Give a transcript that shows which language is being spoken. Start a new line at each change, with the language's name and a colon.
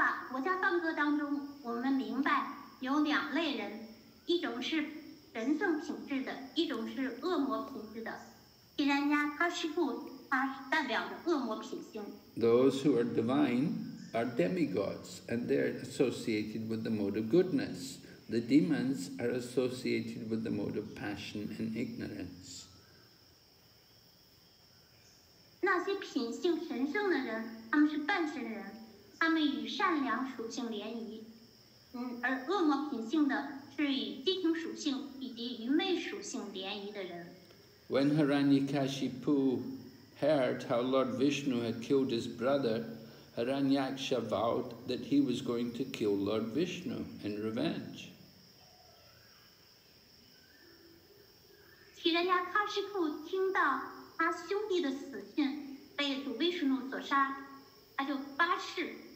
Chinese: 佛家梵歌当中，我们明白有两类人，一种是神圣品质的，一种是恶魔品质的。 Hiranyakashipu他代表着恶魔品性。
English: Those who are divine are demigods, and they're associated with the mode of goodness. The demons are associated with the mode of passion and ignorance.
Chinese: 那些品性神圣的人，他们是半神人。他们与善良属性联谊，而恶魔品性的是与畸形属性以及愚昧属性联谊的人。
English: When Hiranyakashipu heard how Lord Vishnu had killed his brother, Hiranyaksha vowed that he was going to kill Lord Vishnu in revenge.
Chinese: Hiranyakashipu 听到他兄弟的死讯，被主维什努所杀，他就发誓。